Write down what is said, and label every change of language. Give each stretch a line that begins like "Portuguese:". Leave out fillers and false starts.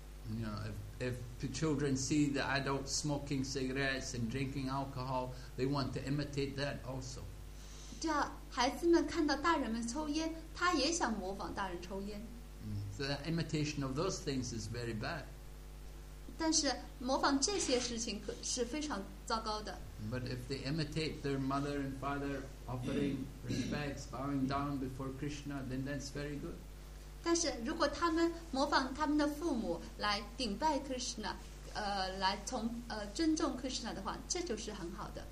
English: You know, if children see the adults smoking cigarettes and drinking alcohol, they want to imitate that also.
Chinese: 这孩子们看到大人们抽烟，他也想模仿大人抽烟。
English: So the imitation of those things is very bad.
Chinese: 但是模仿这些事情是非常糟糕的。
English: But if they imitate their mother and father offering respects, bowing down before Krishna, then that's very good.
Chinese: 但是如果他们模仿他们的父母来顶拜 Krishna, 来尊重 Krishna 的话, 这就是很好的。